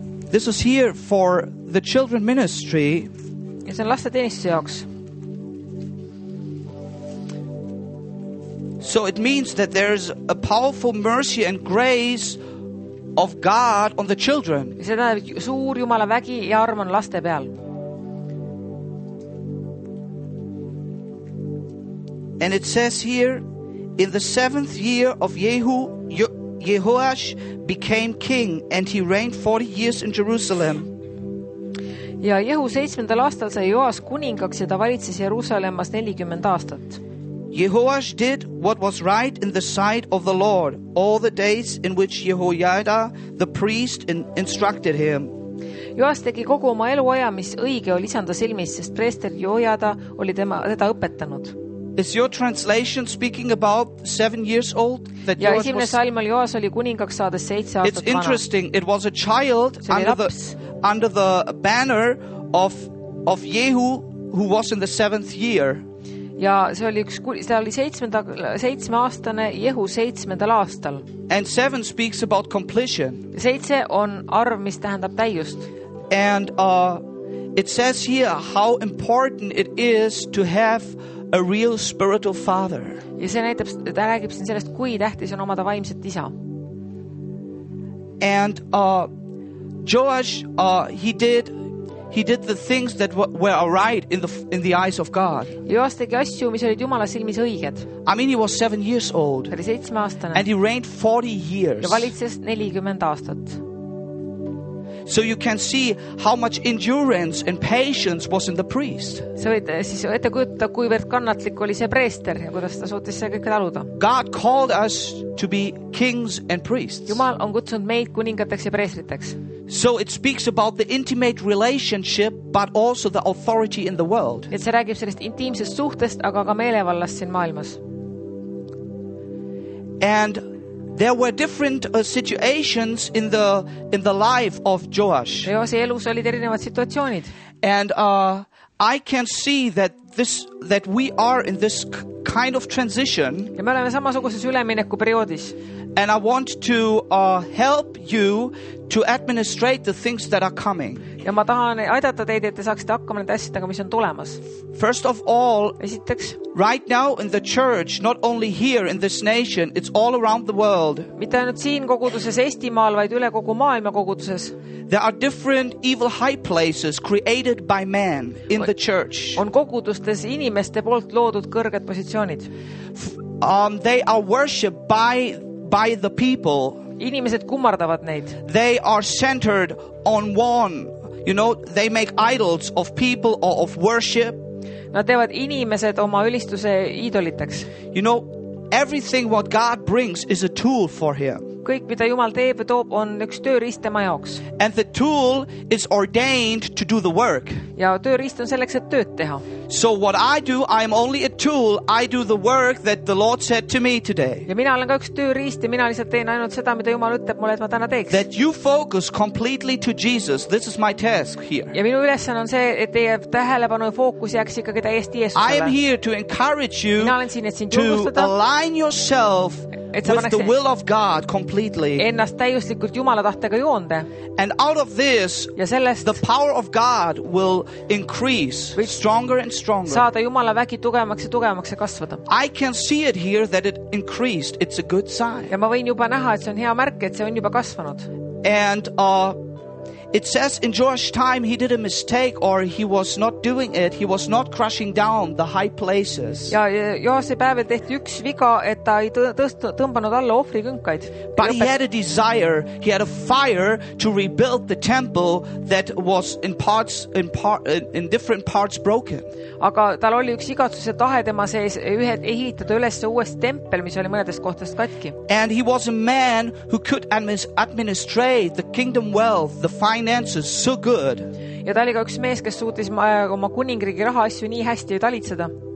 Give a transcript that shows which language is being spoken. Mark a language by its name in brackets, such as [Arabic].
[English] This is here for the children ministry. [Estonian] Ja see on laste teenistuse jaoks. [English] So it means that there is a powerful mercy and grace of God on the children. [Estonian] See tähendab, et suur Jumala vägi ja arm on laste peal. [English] And it says here, in the 7th year of Jehoash became king and he reigned 40 years in Jerusalem. [Estonian] Ja Jehu 7. Aastal sai Joas kuningaks ja ta valitses Jerusalemmas 40 aastat. [English] Jehoash did what was right in the sight of the Lord all the days in which Jehoiada the priest instructed him. [Estonian] Joas tegi kogu oma eluaja, mis õige oli isanda silmis, sest preester Jehoiada oli teda õpetanud. [English] Is your translation speaking about 7 years old? [Estonian] That ja esimene salm oli Joas oli kuningaks saades 7 aastat vana. [English] It's interesting, it was a child under the banner of Jehu who was in the 7th year. [Estonian] Ja see oli üks, see oli 7-aastane Jehu 7. Aastal. [English] And 7 speaks about completion. [Estonian] 7 on arv, mis tähendab täiust. [English] And it says here how important it is to have a real spiritual father. [Estonian] Ja see näitab, ta räägib siin sellest, kui tähtis on omada vaimset isa. [English] And Joash, he did the things that were right in the eyes of God. [Estonian] Joas tegi asju, mis olid Jumala silmis õiged. [English] I mean, he was 7 years old. [Estonian] Ta oli 7-aastane. [English] And he reigned 40 years. [Estonian] Ja valitses 40 aastat. [English] So you can see how much endurance and patience was in the priest. [Estonian] Sa võid siis ette kujutada, kuivõrd kannatlik oli see preester ja kuidas ta suutis see kõik taluda. [English] God called us to be kings and priests. [Estonian] Jumal on kutsunud meid kuningateks ja preestriteks. [English] So it speaks about the intimate relationship, but also the authority in the world. [Estonian] Et see räägib sellest intiimsest suhtest, aga ka meelevallast siin maailmas. [English] And there were different situations in the life of Joash. [Estonian] Joashi elus olid erinevad situatsioonid. [English] And I can see that we are in this kind of transition. [Estonian] Ja me oleme samasuguses ülemineku perioodis. [English] And I want to help you to administrate the things that are coming. [Estonian] Ja ma tahan aidata teid, et te saaksite hakkama need asjadega, mis on tulemas. [English] First of all, [Estonian] esiteks, [English] right now in the church, not only here in this nation, it's all around the world. [Estonian] Mitte ainult siin koguduses Eestimaal, vaid üle kogu maailma koguduses. [English] There are different evil high places created by man in the church. [Estonian] On kogudustes inimeste poolt loodud kõrged positsioonid. [English] They are worshipped by the people. [Estonian] Inimesed kummardavad neid. [English] They are centered on one. You know, they make idols of people or of worship. [Estonian] Nad teevad inimesed oma ülistuse iidoliteks. [English] You know, everything what God brings is a tool for him. [Estonian] Kõik, mida Jumal teeb ja toob, on üks tööriist tema jaoks. [English] And the tool is ordained to do the work. [Estonian] Ja tööriist on selleks, et tööd teha. [English] So what I do, I'm only a tool. I do the work that the Lord said to me today. [Estonian] Ja mina olen ka üks tööriist ja mina lihtsalt teen ainult seda, mida Jumal ütleb mulle, et ma täna teeks. [English] That you focus completely to Jesus. This is my task here. [Estonian] Ja minu ülesan on see, et teie tähelepanu fookus jääks ikkagi täiesti Jeesusele. [English] I am here to encourage you [Estonian] siin, [English] to align yourself with the will of God completely. [Estonian] Ennast täiuslikult Jumala tahtega joonde. [English] And out of this, [Estonian] ja sellest, [English] the power of God will increase stronger and stronger. [Estonian] Saada Jumala vägi tugevamaks ja tugevamaks ja kasvada. [English] I can see it here that it increased. It's a good sign. [Estonian] Ja ma võin juba näha, et see on hea märk, et see on juba kasvanud. [English] And it says in Joash's time he did a mistake or he was not doing it. He was not crushing down the high places. [Estonian] Ja Joashi päevil tehti üks viga, et ta ei tõmbanud alla ohri künkaid. [English] But he had a desire, he had a fire to rebuild the temple that was in different parts broken. [Estonian] Aga tal oli üks igatsuse tahe tema sees ühed ehitada üles uuest tempel, mis oli mõnedest kohtest katki. [English] And he was a man who could administrate the kingdom wealth, the finances so good. [Estonian] Ja ta oli ka üks mees, kes suutis oma kuningriigi raha asju nii hästi talitseda.